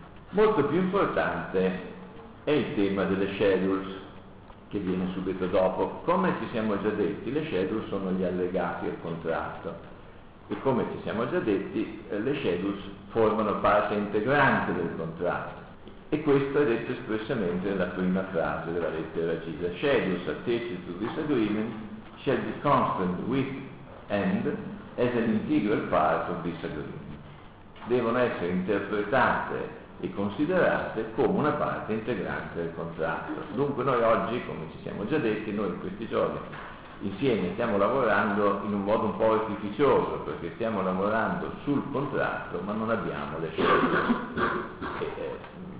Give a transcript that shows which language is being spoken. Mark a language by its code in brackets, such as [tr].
[it] Molto più importante è il tema delle schedules, che viene subito dopo. Come ci siamo già detti, le schedules sono gli allegati al contratto, e come ci siamo già detti, le schedules formano parte integrante del contratto, e questo è detto espressamente nella prima frase della lettera C. [en] The schedules attached to this agreement shall be constant with and as an integral part of this agreement. [it] Devono essere interpretate e considerate come una parte integrante del contratto. Dunque noi oggi, come ci siamo già detti, noi in questi giorni insieme stiamo lavorando in un modo un po' artificioso, perché stiamo lavorando sul contratto ma non abbiamo le schedule.